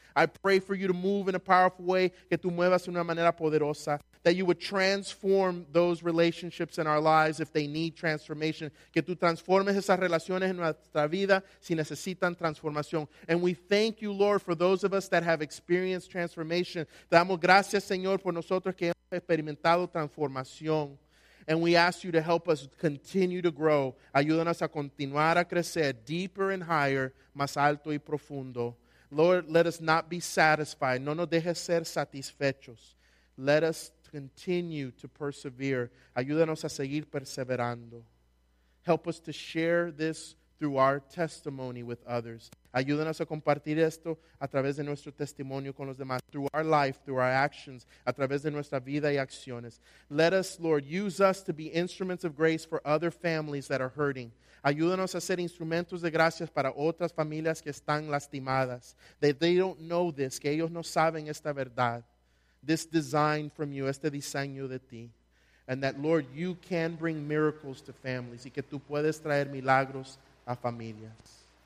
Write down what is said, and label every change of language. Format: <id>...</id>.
<en>I pray for you to move in a powerful way,</en> <es>que tú muevas de una manera poderosa,</es> <en>that you would transform those relationships in our lives if they need transformation,</en> <es>que tú transformes esas relaciones en nuestra vida si necesitan transformación.</es> <en>And we thank you, Lord, for those of us that have experienced transformation.</en> <es>Damos gracias, Señor, por nosotros que hemos experimentado transformación.</es> <en>And we ask you to help us continue to grow.</en> <es>Ayúdanos a continuar a crecer</es> <en>deeper and higher,</en> <es>más alto y profundo.</es> <en>Lord, let us not be satisfied.</en> <es>No nos dejes ser satisfechos.</es> <en>Let us continue to persevere.</en> <es>Ayúdanos a seguir perseverando.</es> <en>Help us to share this through our testimony with others.</en> <es>Ayúdanos a compartir esto a través de nuestro testimonio con los demás,</es> <en>through our life, through our actions,</en> <es>a través de nuestra vida y acciones.</es> <en>Let us, Lord, use us to be instruments of grace for other families that are hurting.</en> <es>Ayúdanos a ser instrumentos de gracias para otras familias que están lastimadas.</es> <en>That they don't know this,</en> <es>que ellos no saben esta verdad.</es> <en>This design from you,</en> <es>este diseño de ti.</es> <en>And that, Lord, you can bring miracles to families.</en> <es>Y que tú puedes traer milagros a familias.</es>